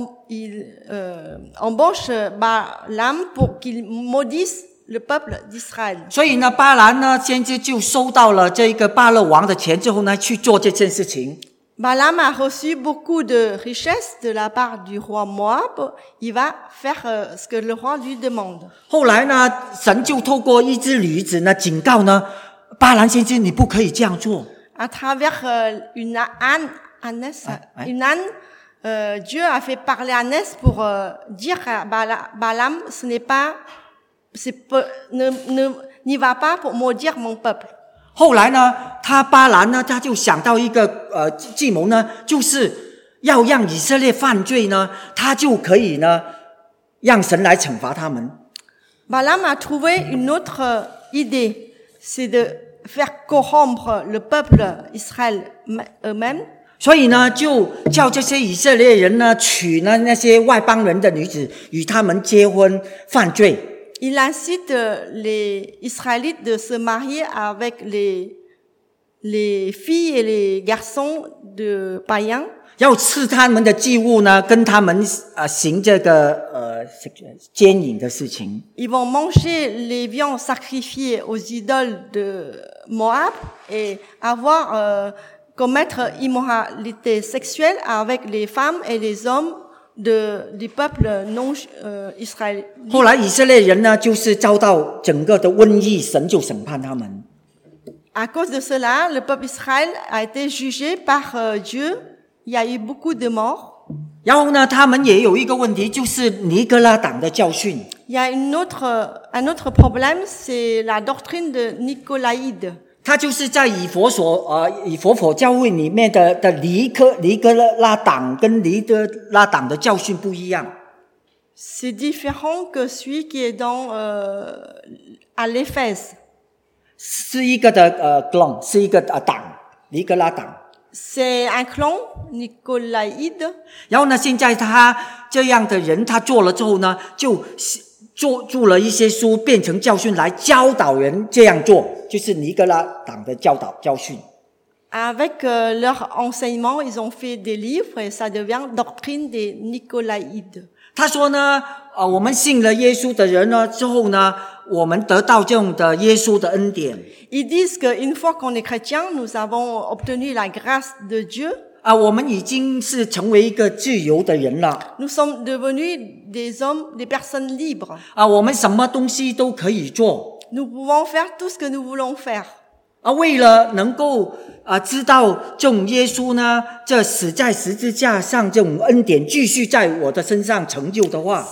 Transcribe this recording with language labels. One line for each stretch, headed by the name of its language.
French: Il embauche Balaam pour qu'il maudisse le peuple d'Israël.
Chinese: 所以呢，巴兰呢先知就收到了这个巴勒王的钱之后呢，去做这件事情。
French: Balaam a reçu beaucoup de richesses de la part du roi Moab. Il va faire ce que le roi lui demande.
Chinese: 后来呢，神就透过一只驴子呢警告呢。巴兰先知，你不可以这样做。
French: À travers une âne, Dieu a fait parler à l'âne pour dire à Balaam, ne va pas pour maudire mon peuple.
Chinese: 后来呢，他巴兰呢，他就想到一个计谋呢，就是要让以色列犯罪呢，他就可以呢，让神来惩罚他们。
French: Balaam a trouvé une autre idée, c'est de faire corrompre le peuple Israël eux-mêmes.
Chinese: 所以呢，就叫这些以色列人呢，娶了那些外邦人的女子，与他们结婚犯罪。
French: Il incite les Israélites de se marier avec les filles et les garçons de païens.
Chinese: 要试他们的祭物呢，跟他们行这个奸淫的事情。
French: Ils vont manger les viandes sacrifiées aux idoles de Moab et avoir commettre immoralité sexuelle avec les femmes et les hommes du peuple non Israël.
Chinese: 后来以色列人呢，就是遭到整个的瘟疫，神就审判他们。
French: À cause de cela, le peuple Israël a été jugé par Dieu. Il y a eu beaucoup de morts.
Chinese: 然后呢，他们也有一个问题，就是尼哥拉党的教训。
French: Il y a un autre problème, c'est la doctrine de Nicolaïde.
Chinese: 他就是在以佛所教会里面的尼哥拉党跟尼哥拉党的教训不一样。
French: C'est différent que celui qui est dans à l'Éphèse.
Chinese: 是一个的clan, 是一个党，尼哥拉党。
French: C'est un clan, Nicolaïde.
Chinese: 然后呢，现在他这样的人，他做了之后呢，就做了一些书，变成教训来教导人这样做，就是尼哥拉党的教训。
French: Avec leur enseignement, ils ont fait des livres et ça devient doctrine des Nicolaïdes.
Chinese: 他说呢，我们信了耶稣的人呢，之后呢，我们得到这样的耶稣的恩典。
French: Ils disent qu'une fois qu'on est chrétien, nous avons obtenu la grâce de Dieu.
Chinese: 啊，我们已经是成为一个自由的人了。
French: Nous sommes devenus des hommes, des personnes libres.
Chinese: 啊，我们什么东西都可以做。
French: Nous pouvons faire tout ce que nous voulons faire.
Chinese: 啊，为了能够知道这种耶稣呢，这死在十字架上这种恩典继续在我的身上成就的话。